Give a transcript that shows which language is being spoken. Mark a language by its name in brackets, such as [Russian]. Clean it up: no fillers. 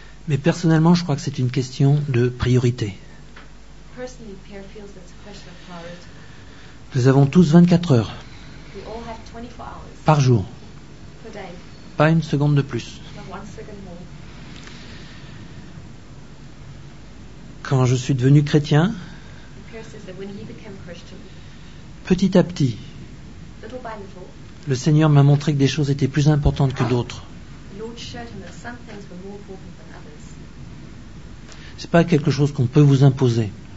[French] Mais personnellement, je crois que c'est une question de priorité. [English] Personally, Pierre feels that it's a question of priority. [French] Nous avons tous 24 heures. [English] We all have 24 hours. [French] Par jour. [English] Per day. [French] Pas une seconde de plus. [English] Not one second more. [French] Quand je suis devenu chrétien, [English] Pierre says that when he became Christian, [French] petit à petit, [English] little by little, [French] le Seigneur m'a montré que des choses étaient plus importantes que d'autres. [English] The Lord showed him that some things were more important. [French] Ce n'est pas quelque chose qu'on peut vous imposer.